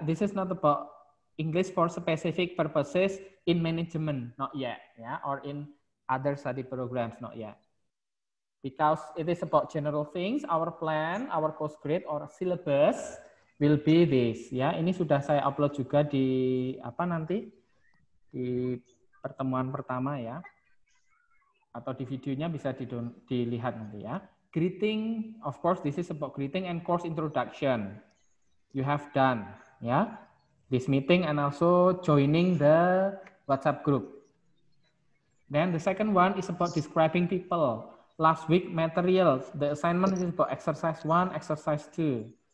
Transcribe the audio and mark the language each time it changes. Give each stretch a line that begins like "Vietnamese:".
English: This is not about English for specific purposes in management. Not yet. Ya, or in other study programs. Not yet. Because it is about general things, our plan, our course grade, or syllabus will be this.
Indonesian: Ya, ini sudah saya upload juga di apa nanti di pertemuan pertama ya, atau di videonya bisa dilihat nanti ya.
English: Greeting, of course, this is about greeting and course introduction. You have done, ya, this meeting and also joining the WhatsApp group. Then the second one is about describing people. Last week materials, the assignment is about exercise 1, exercise 2.